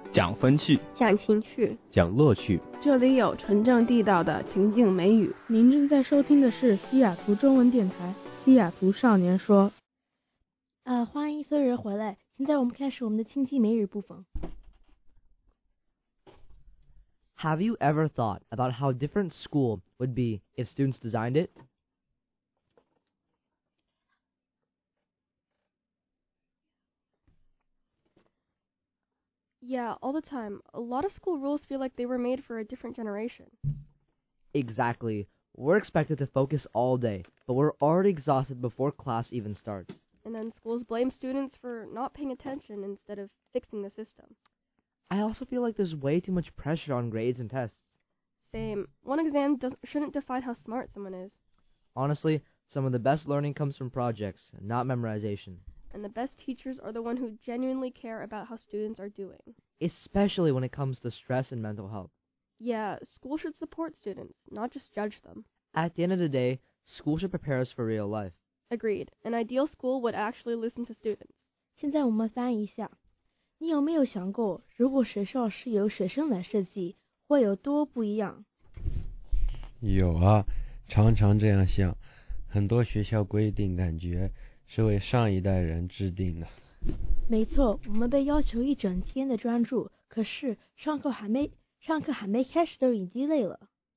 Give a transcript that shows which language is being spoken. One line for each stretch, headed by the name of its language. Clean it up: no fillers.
Chinese: 讲风趣，讲情趣，讲乐趣，这里有纯正地道的情境美语。您正在收听的是西雅图中文电台西雅图少年说。欢迎所有人回来，现在我们开始我们的情境美语部分。
English: Have you ever thought about how different school would be if students designed it? Yeah, all the time. A lot of school rules feel like they were made for a different generation. Exactly. We're expected to focus all day, but we're already exhausted before class even starts. And then schools blame students for not paying attention instead of fixing the system. I also feel like there's way too much pressure on grades and tests. Same. One exam shouldn't define how smart someone is. Honestly, some of the best learning comes from projects, not memorization. And the best teachers are the ones who genuinely care about how students are doing. Especially when it comes to stress and mental health. Yeah, school should support students, not just judge them. At the end of the day, school should prepare us for real life. Agreed. An ideal school would actually listen to students.
Chinese: 现在我们翻一下。你有没有想过，如果学校是由学生来设计，会有多不一样？有啊，常常这样想。很多学校规定感觉是为上一代人制定的。没错，我们被要求一整天的专注，可是上课还没开始都已经累了。